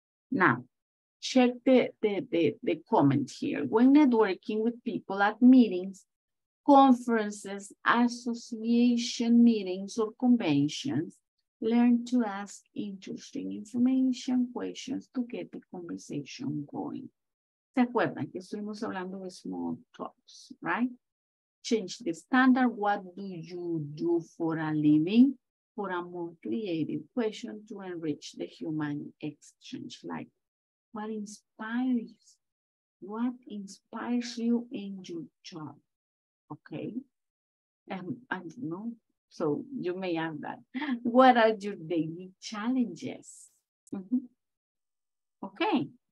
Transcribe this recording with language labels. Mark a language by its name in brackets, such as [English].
[English] Now, check the comment here. When networking with people at meetings, conferences, association meetings, or conventions, learn to ask interesting information questions to get the conversation going. [Spanish] ¿Se acuerdan que estuvimos hablando de [English] small talks, right? Change the standard. What do you do for a living? For a more creative question to enrich the human exchange. Like, what inspires? What inspires you in your job? Okay. And no, so you may have that. What are your daily challenges? Mm-hmm. Okay.